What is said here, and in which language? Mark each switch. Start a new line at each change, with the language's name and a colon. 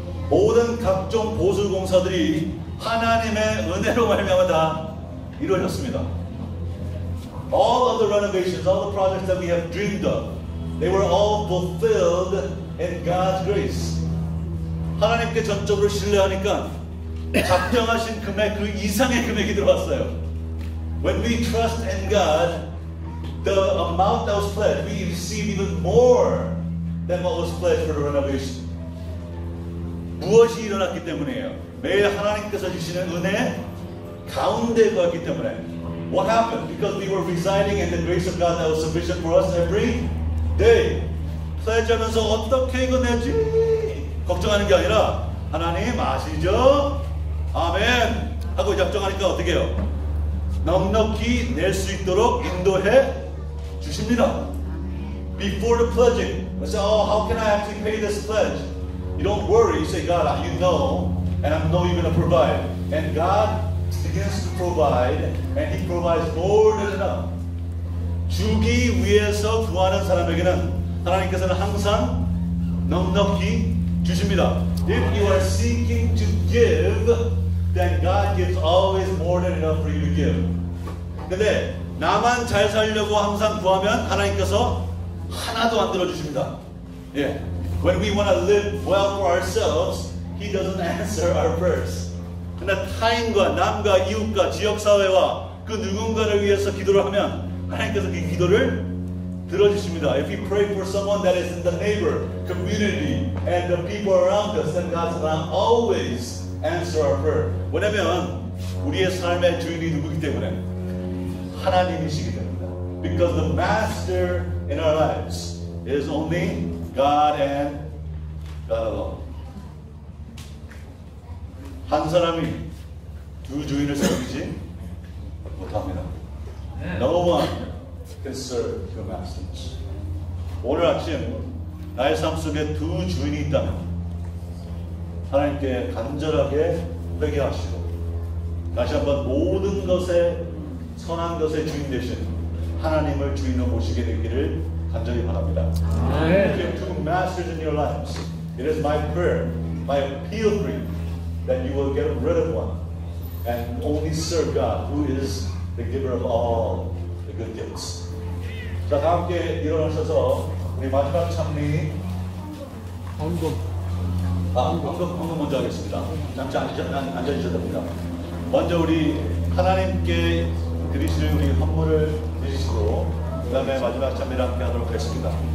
Korean: 모든 각종 보수 공사들이 하나님의 은혜로 말미암아 다 이루어졌습니다.
English: All of the renovations, all the projects that we have dreamed of, they were all fulfilled in God's grace.
Korean: 하나님께 전적으로 신뢰하니까 작정하신 금액 그 이상의 금액이 들어왔어요.
English: When we trust in God, the amount that was pledged, we receive even more than what was pledged for the renovation.
Korean: 무엇이 일어났기 때문이에요? 매일 하나님께서 주시는 은혜 가운데 거였기 때문에.
English: What happened? Because we were residing in the grace of God that was sufficient for us every day.
Korean: 플레이하면서 어떻게 이거 내지? 걱정하는 게 아니라 하나님 아시죠? 아멘! 하고 작정하니까 어떻게 해요? 넉넉히 낼 수 있도록 인도해 주십니다.
English: Before the pledging, we say, oh, how can I actually pay this pledge? You don't worry. You say, God, you know, and I know you're going to provide. And God begins to provide, and He provides more than enough.
Korean: 주기 위해서 구하는 사람에게는 하나님께서는 항상 넉넉히 주십니다.
English: If you are seeking to give, then God gives always more than enough for you to give.
Korean: 근데 나만 잘 살려고 항상 구하면 하나님께서 하나도 안 들어주십니다. 예.
English: When we want to live well for ourselves, He doesn't answer our prayers.
Korean: 근데 타인과 남과 이웃과 지역사회와 그 누군가를 위해서 기도를 하면 하나님께서 그 기도를 들어주십니다.
English: If we pray for someone that is in the neighbor, community, and the people around us, then God's not always answer our prayer.
Korean: 왜냐면 우리의 삶의 주인이 누구기 때문에 하나님이시기 때문입니다.
English: Because the master in our lives is only God and God alone.
Korean: 한 사람이 두 주인을 섬기지 못합니다.
English: No one can serve two masters.
Korean: 오늘 아침 나의 삶 속에 두 주인이 있다면 하나님께 간절하게 회개하시고 다시 한번 모든 것에 선한 것에 주인 되신 하나님을 주인으로 모시게 되기를 간절히 바랍니다.
English: Amen. If you have two masters in your lives, it is my prayer, my appeal for you, that you will get rid of one and only serve God, who is the giver of all the good gifts.
Korean: 자, 다 함께 일어나셔서 우리 마지막 찬미 헌금. 아, 한번 먼저 하겠습니다. 잠시 앉아주셔도 됩니다. 먼저 우리 하나님께 드리실 우리 헌물을 드리시고 그 다음에 마지막 찬미를 함께 하도록 하겠습니다.